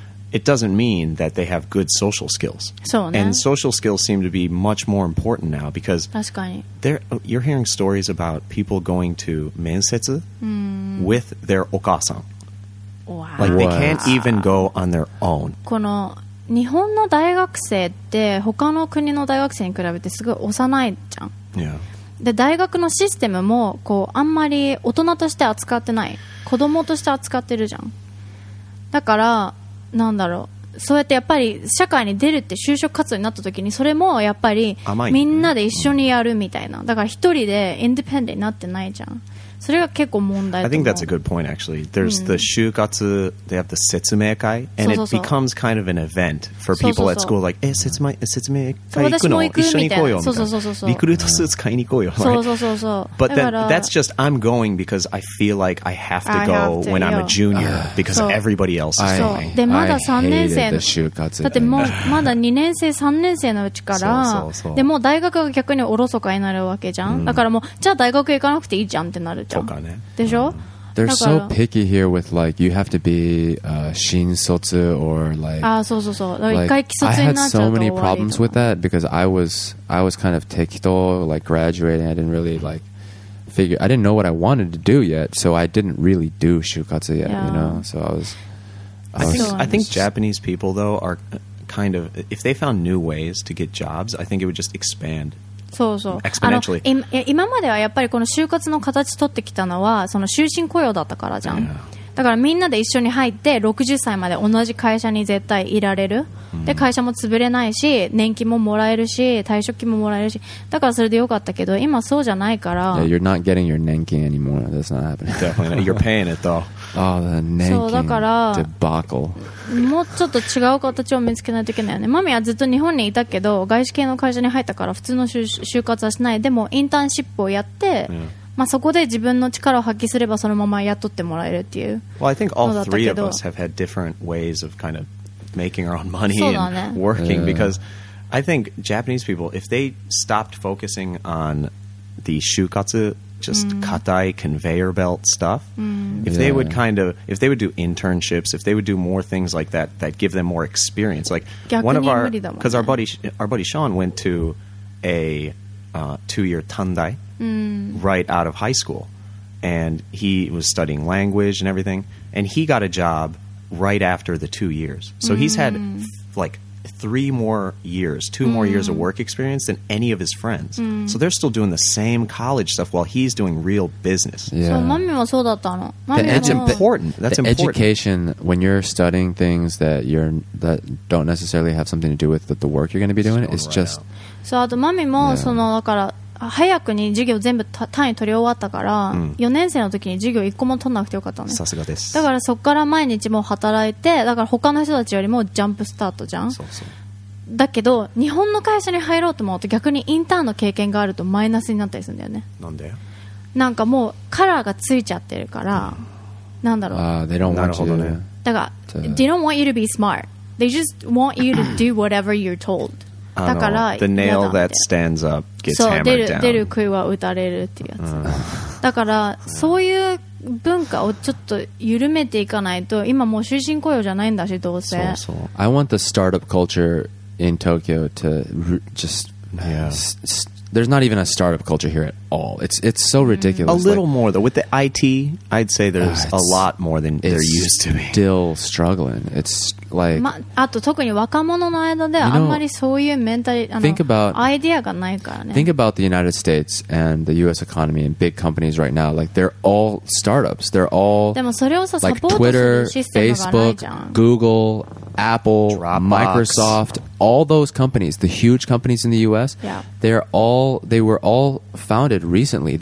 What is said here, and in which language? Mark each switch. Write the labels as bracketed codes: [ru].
[en] It doesn't mean that they have good social skills. So, and social skills seem to be much more important now, because you're hearing stories about people going to mensetsu with their okasan. Wow. Like, they can't even go on their own. [ja] この日本の大学生って他の国の大学生に比べてすごい幼いじゃん。 [en] Yeah. [ja] で、大学のシステムもこうあんまり大人として扱ってない。子供として扱ってるじゃん。だから、なんだろう。そうやってやっぱり社会に出るって就職活動になった時にそれもやっぱりみんなで一緒にやるみたいな。だから一人でインディペンデントになってないじゃん。それが結構問題だと思う。 [en] I think that's a good point, actually. There's the 就活, they have the 説明会, and it becomes kind of an event for people at school, like, 説明会 [ja] 行くの?一緒に行こうよ。そうそうそう。リクルートスーツ買いに行こうよ。そうそうそうそう。 [en] But then, that's just, I'm going because I feel like I have to go when I'm a junior, because everybody else is going. [ja] で、まだ3年生 [en] の。I hated the 就活. [ja] だってもうまだ2年生、3年生のうちから、でも大学が逆におろそかになるわけじゃん。だからもう、じゃあ大学行かなくていいじゃんってなる。 [en] They're so picky here with, like, you have to be shin sotsu or like, I had so many problems with that because I was kind of tekito, like graduating. I didn't really like figure, I didn't know what I wanted to do yet. So I didn't really do shukatsu yet, you know? So I think Japanese people though are kind of, if they found new ways to get jobs, I think it would just expand. [ja] そうそう。今まではやっぱりこの就活の形取ってきたのはその終身雇用だったからじゃん。だからみんなで一緒に入って60歳まで同じ会社に絶対いられる。で、会社も潰れないし、年金ももらえるし、退職金ももらえるし。だからそれでよかったけど、今そうじゃないから。 [en] Yeah, you're not getting your 年金 anymore. That's not happening. Definitely not. You're paying it though. Oh, the 年金 debacle. [ja] もうちょっと違う形を見つけないといけないよね。マミはずっと日本にいたけど、外資系の会社に入ったから普通の就活はしない。でも、インターンシップをやって、yeah. まあ、そこで自分の力を発揮すればそのまま雇ってもらえるっていう。 [en] Well, I think all three of us have had different ways of kind of making our own money and working、yeah. because I think Japanese people, if they stopped focusing on the 就活 just katai conveyor belt stuff, if they would do internships, if they would do more things like that that give them more experience, like one of our, because our buddy Sean went to a two-year tandai. Right out of high school, and he was studying language and everything, and he got a job right after the 2 years. So he's had like three more years, two more years of work experience than any of his friends. So they're still doing the same college stuff while he's doing real business. Education, when you're studying things that don't necessarily have something to do with the work you're going to be doing, it's just [ja] so. あとマミもそのだから早くに授業全部単位取り終わったから、うん、4年生の時に授業1個も取らなくてよかったね。さすがです。だからそこから毎日もう働いて、だから他の人たちよりもジャンプスタートじゃん。そうそう。だけど日本の会社に入ろうと思うと逆にインターンの経験があるとマイナスになったりするんだよね。なんで？なんかもうカラーがついちゃってるから、うん、なんだろう、 [en] they don't want you、 [ja] ね、 [en] だから they don't want you to be smart, they just want you to do whatever you're told. [ja] だから [en] the nail that stands up gets hammered down. [ja] 出る杭は打たれるっていうやつ、うん、だからそういう文化をちょっと緩めていかないと、今もう終身雇用じゃないんだし、どうせ。そうそう。 [en] I want the startup cultureIn Tokyo to just there's not even a startup culture here at all. It's so ridiculous. A little like, more though with the IT, I'd say there's a lot more than there used to be. It's still struggling. It's like [ja] あと特に若者の間ではあんまりそういうメンタリティ、 [en] think about [ja] アイデアがないからね。 [en] Think about the United States and the US economy and big companies right now. Like they're all startups. They're all [ja] でもそれをさ、 [en] like Twitter, Facebook, Google, Apple, Dropbox, Microsoft, all those companies, the huge companies in the US, they were all founded recently.